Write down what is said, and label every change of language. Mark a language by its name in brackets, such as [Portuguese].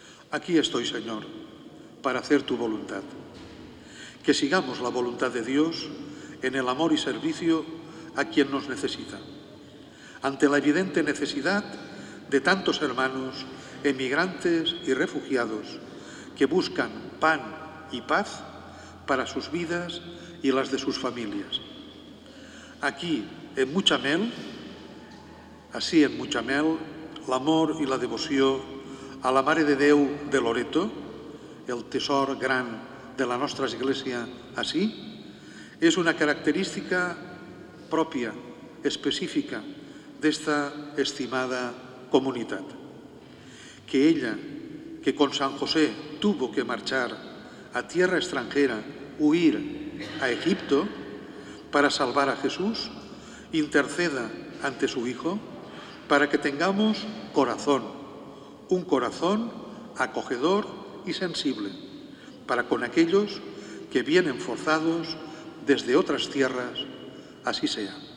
[Spanish] Aquí estoy, Señor, para hacer tu voluntad. Que sigamos la voluntad de Dios en el amor y servicio a quien nos necesita. Ante la evidente necesidad de tantos hermanos, emigrantes y refugiados que buscan pan y paz para sus vidas y las de sus familias. Aquí, en Muchamel, así en Muchamel, [Catalan] l'amor i la devoció a la Mare de Déu de Loreto, el tesor gran de la nostra Església, així, és una característica pròpia, específica, d'esta estimada comunitat. [Spanish] Que ella, que con San José tuvo que marchar a tierra extranjera, huir a Egipto, para salvar a Jesús, interceda ante su Hijo para que tengamos corazón, un corazón acogedor y sensible para con aquellos que vienen forzados desde otras tierras, así sea.